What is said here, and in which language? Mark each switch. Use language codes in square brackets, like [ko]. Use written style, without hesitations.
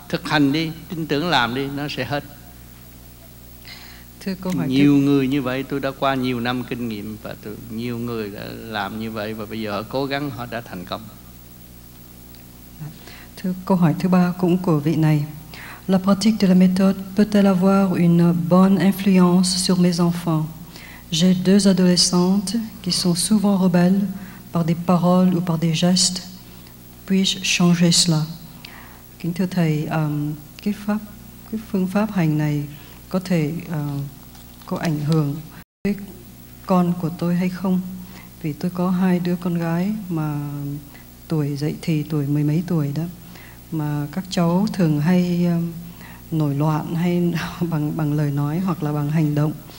[vi] Thực hành đi, tin tưởng làm đi, nó sẽ hết. Thưa câu hỏi nhiều thưa... người như vậy, tôi đã qua nhiều năm kinh nghiệm và nhiều người đã làm như vậy và bây giờ cố gắng họ đã thành công. Thưa câu hỏi thứ ba cũng của vị này. [fr] La pratique de la méthode peut-elle avoir une bonne influence sur mes enfants? J'ai deux adolescentes qui sont souvent rebelles par des paroles ou par des gestes. Puis-je changer cela? [vi] Kính thưa Thầy, cái phương pháp hành này có thể có ảnh hưởng với con của tôi hay không? Vì tôi có hai đứa con gái mà tuổi dậy thì tuổi mười mấy tuổi đó, mà các cháu thường hay nổi loạn hay bằng lời nói hoặc là bằng hành động.